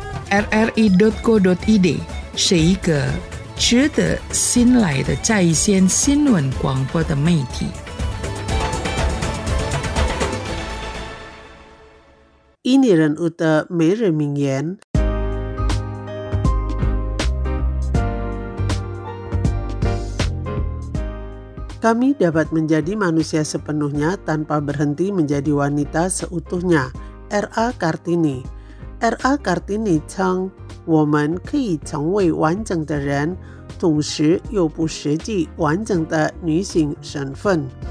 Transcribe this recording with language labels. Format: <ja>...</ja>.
<zh>rre.co.id 是一个值得信赖的在线新闻广播的媒体。印尼人有的每日名言，</zh> <id>Kami dapat menjadi manusia sepenuhnya tanpa berhenti menjadi wanita seutuhnya. R.A. Kartini. R.A.</id> <zh>Kartini 称我们可以成为完整的人，同时又不失去完整的女性身份。</zh>